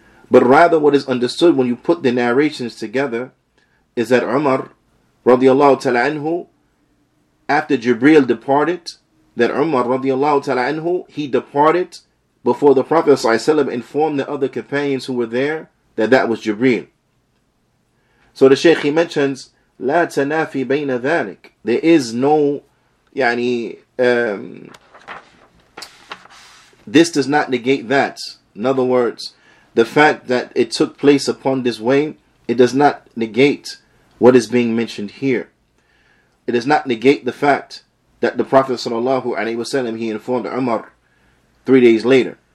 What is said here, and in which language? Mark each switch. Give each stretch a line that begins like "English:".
English: But rather what is understood when you put the narrations together is that Umar radiallahu ta'ala anhu, after Jibreel departed, that Umar radiallahu ta'ala anhu, he departed before the Prophet sallallahu alayhi wasallam informed the other companions who were there that that was Jibreel. So the Shaykh, he mentions,
Arabic: لا تنافي بين ذلك.
English: There is no, this does not negate that. In other words, the fact that it took place upon this way, it does not negate what is being mentioned here. It does not negate the fact that the Prophet sallallahu alayhi wasallam, he informed Umar 3 days later.